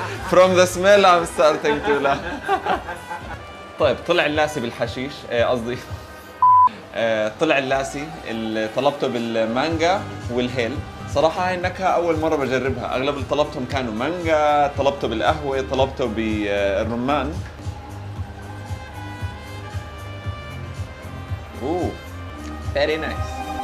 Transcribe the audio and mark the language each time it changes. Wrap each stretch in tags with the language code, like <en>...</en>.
<en>From the smell I'm starting to laugh.</en> <ar>طيب طلع اللاسي بالحشيش قصدي طلع اللاسي اللي طلبته بالمانجا والهيل. صراحة هاي النكهة أول مرة بجربها، أغلب اللي طلبتهم كانوا مانجا، طلبته بالقهوة، طلبته بالرمان. أوه</ar> <en>very nice.</en>